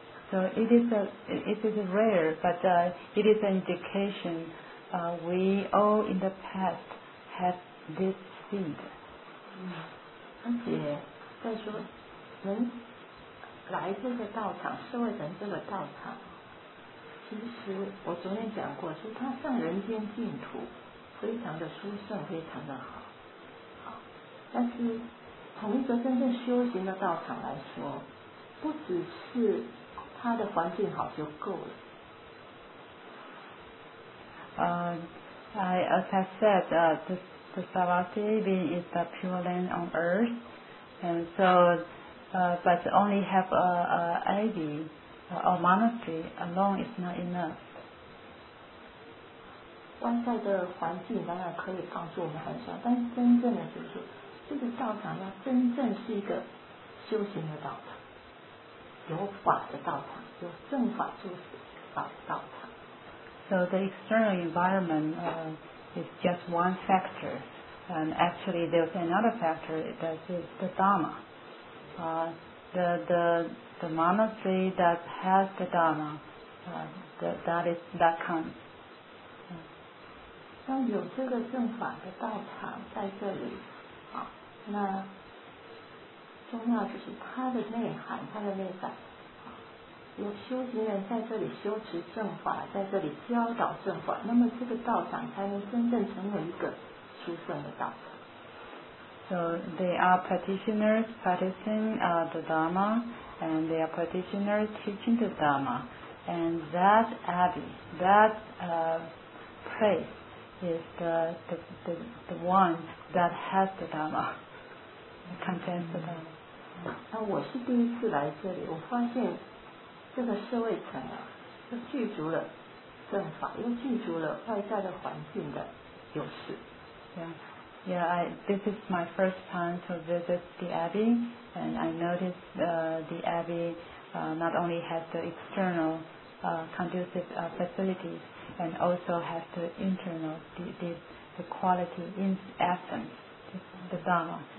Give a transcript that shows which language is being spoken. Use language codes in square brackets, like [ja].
[en] So it is rare, but it is an indication we all in the past have this seed. [zh] 而且再说，人来这个道场，社会人这个道场，其实我昨天讲过，说它像人间净土，非常的殊胜，非常的好。但是从一个真正修行的道场来说，不只是它的环境好就够了。 [en] As I said, the Savasti being is the pure land on earth, and so, but only have a abbey or monastery alone is not enough. [zh] 外在的环境当然可以帮助我们很少，但是真正的就是这个道场要真正是一个修行的道场，有法的道场，有正法住持法的道场。 [en] So the external environment, is just one factor, and actually there's another factor, that is the Dharma. The monastery that has the Dharma, that comes. [zh] 那有这个正法的道场在这里，那重要就是它的内涵，它的内涵。有修行人在这里修持正法，在这里教导正法，那么这个道场才能真正成为一个殊胜的道场。 [en] So they are practitioners practicing the Dharma, and they are practitioners teaching the Dharma, and that abbey, that place, is the one that has the Dhamma, contains the Dhamma. [zh] 那我是第一次来这里，我发现这个社会层啊，是具足了正法，又具足了外在的环境的优势。 [en] Yeah, this is my first time to visit the Abbey, and I noticed the Abbey not only has the external conducive facilities, and also has the internal, the quality in essence, the Dhamma.